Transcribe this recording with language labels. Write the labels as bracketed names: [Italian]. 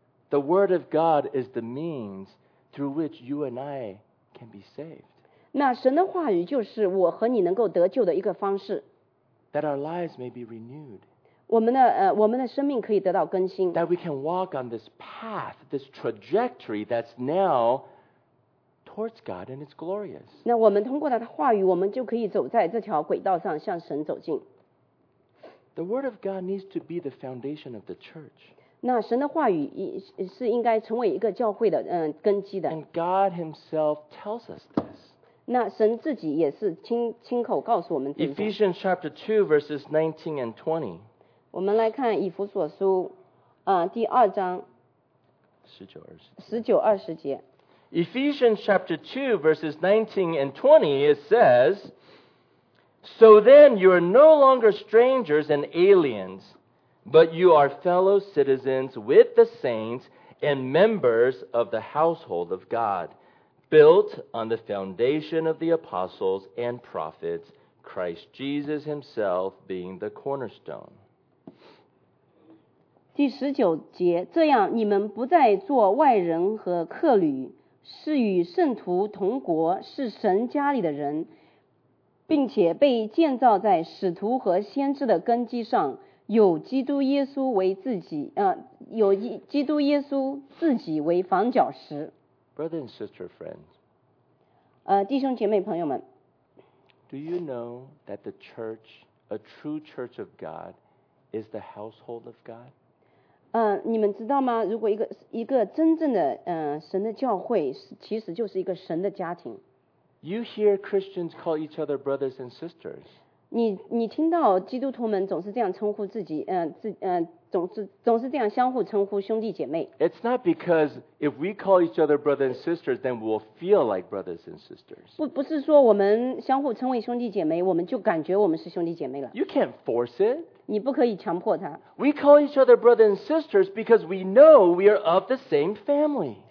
[English] The word of God is the means through which you and I can be saved. [Chinese] 那神的话语就是我和你能够得救的一个方式。 [English] That our lives may be renewed. [Chinese] 我们的生命可以得到更新。 [English] That we can walk on this path, this trajectory that's now towards God and it's glorious. [Chinese] 那我们通过他的话语，我们就可以走在这条轨道上向神走近。 [English] The word of God needs to be the foundation of the church. [Chinese] 那神的话语是应该成为一个教会的根基的。 [English] And God Himself tells us this. [Chinese] 那神自己也是亲口告诉我们。 [English] Ephesians chapter 2 verses 19 and 20. [Chinese] 我们来看以弗所书第二章 19-20节 [English] Ephesians chapter 2 verses 19 and 20 it says, So then you are no longer strangers and aliens, but you are fellow citizens with the saints and members of the household of God, built on the foundation of the apostles and prophets, Christ Jesus himself being the cornerstone. [Chinese] 第十九节，这样你们不再做外人和客旅，是与圣徒同国，是神家里的人，并且被建造在使徒和先知的根基上，有基督耶稣为自己，有基督耶稣自己为房角石。 [English] Brother and sister friends, [Chinese] 弟兄姐妹朋友们 [English] ，Do you know that the church, a true church of God, is the household of God? [Chinese] 你们知道吗？如果一个真正的神的教会，其实就是一个神的家庭。 [English] You hear Christians call each other brothers and sisters. [Chinese] 你听到基督徒们总是这样称呼自己，总是这样相互称呼兄弟姐妹。 [English] It's not because if we call each other brothers and sisters, then we'll feel like brothers and sisters. [Chinese] 不是说我们相互称为兄弟姐妹，我们就感觉我们是兄弟姐妹了。 [English] You can't force it. [Chinese] 你不可以强迫他。 [English] We call each other brother and sisters because we know we are of the same family.